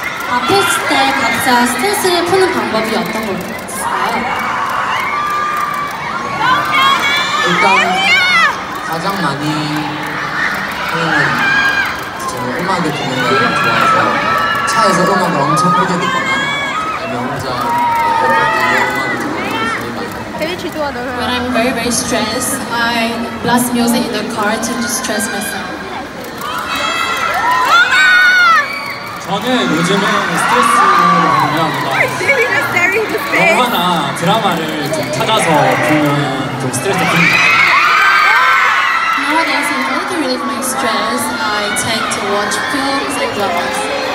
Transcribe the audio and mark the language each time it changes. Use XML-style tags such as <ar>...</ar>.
<ko>아프실 때 각자 스트레스를 푸는 방법이 어떤 걸 있을까요? 일단 가장 많이 저는 음악을 듣는 걸 좋아해서 차에서 음악을 엄청 크게 듣거나 아니면 혼자</ko> <en>When I'm very, very stressed, I blast music in the car to distress myself.</en> <ko>저는 요즘은 스트레스를 많이 합니다. 영화나 드라마를 좀 찾아서 보면 좀 스트레스 풉니다.</ko> <en>Nowadays, in order to relieve my stress, I tend to watch films and dramas.</en>